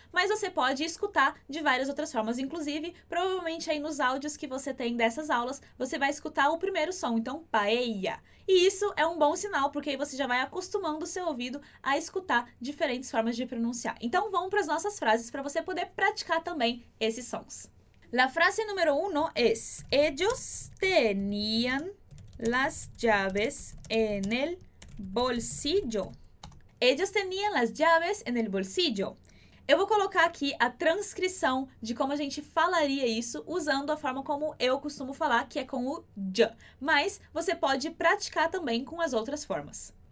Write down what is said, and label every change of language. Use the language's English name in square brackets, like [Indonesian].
[Portuguese] Mas você pode escutar de várias outras formas, inclusive, provavelmente aí nos áudios que você tem dessas aulas, você vai escutar o primeiro som, então paella. E isso é um bom sinal, porque aí você já vai acostumando o seu ouvido a escutar diferentes formas de pronunciar. Então vamos para as nossas frases para você poder praticar também esses sons. [Spanish] La frase número 1 es: ellos tenían las llaves en el bolsillo. Ellos tenían las llaves en el bolsillo. [Portuguese] Eu vou colocar aqui a transcrição de como a gente falaria isso usando a forma como eu costumo falar, que é com o J. Mas você pode praticar também com as outras formas.